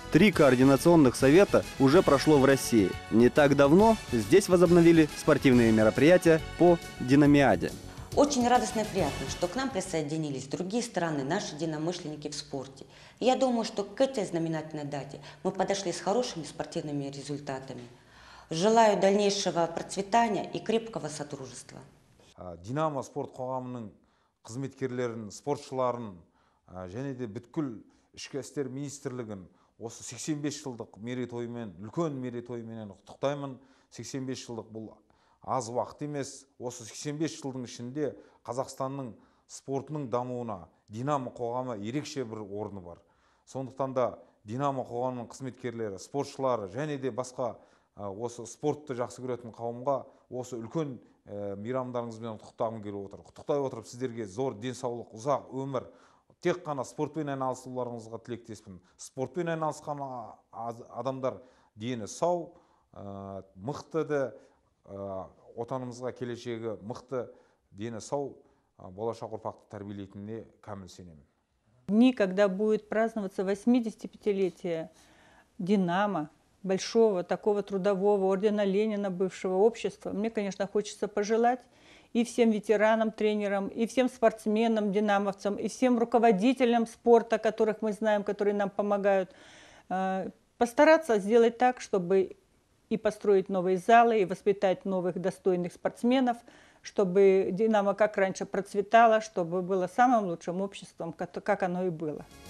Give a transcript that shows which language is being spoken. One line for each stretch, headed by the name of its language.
Russian: Три координационных совета уже прошло в России. Не так давно здесь возобновили спортивные мероприятия по динамиаде. Очень радостно и приятно, что к нам присоединились другие страны, наши единомышленники в спорте. Я думаю, что к этой знаменательной дате мы подошли с хорошими спортивными результатами. Желаю дальнейшего процветания и крепкого сотрудничества.
Kazakh: Динамо спорт қоғамының қызметкерлерін, спортшыларын және де бүткіл ішкі істер министрлігін осы 85 жылдық мерейтойымен, үлкен мерейтойыменен құттықтаймын. 85 жылдық бұл аз уақыт емес. Осы 85 жылдың ішінде Қазақстанның спортының дамуына Динамо қоғамы ерекше бір орны бар. Сондықтан да Динамо қоғамының қызметкерлері, спортшылары және де басқа осы спортты жақсы көретін қауымға осы үлкен мейрамдарыңызбен құттықтағым келіп отыр. Құттықтай отырып сіздерге зор денсаулық, ұзақ өмір, тек қана спортпен айналысуларыңызға тілектеспін. Спортпен айналысқан адамдар дені сау, мықты да, отанымызға келешегі мықты, дені сау, болашақ ұрпақты тәрбиелейтініне кәміл сенемін.
Russian: Никогда будет праздноваться 85-летие Динамо, большого такого трудового ордена Ленина, бывшего общества. Мне, конечно, хочется пожелать и всем ветеранам, тренерам, и всем спортсменам, динамовцам, и всем руководителям спорта, которых мы знаем, которые нам помогают, постараться сделать так, чтобы и построить новые залы, и воспитать новых достойных спортсменов, чтобы Динамо как раньше процветало, чтобы было самым лучшим обществом, как оно и было.